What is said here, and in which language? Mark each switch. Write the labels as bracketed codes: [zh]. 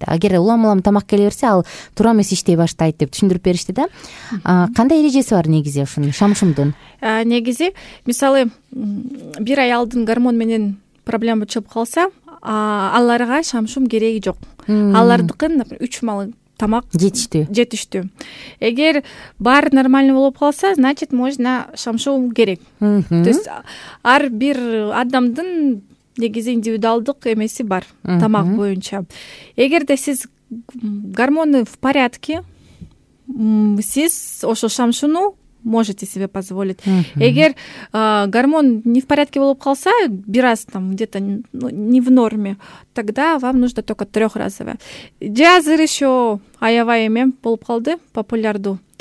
[ky] Агер улам-улам тамак келе берсе ал туура эмес иштей баштайт деп түшүндүрүп беришти да. Кандай эрежеси бар негизи ушун шамшумдун? Негизи мисалы бир аялдын гормон менен проблема чыгып калса аларга шамшум кереги жок. Алардыкын 3 мал тамак жетиштүү. Эгер баары нормально болуп калса, [ru] значит, можно [ky] шамшум керек. [ru] То есть [ky] ар бир адамдын негизи индивидуалдык эмеси бар тамак боюнча. Эгерде сиз [ru] гормоны в порядке, [ky] сиз ошо шамшуну [ru] можете себе позволить. [ky] Эгер [ru] гормон не в порядке [ky] болуп калса, бир аз [ru] там где-то не в норме, тогда вам нужно только трехразовое. [ky] Же азыр еще аябай эме болуп калды, популярдуу.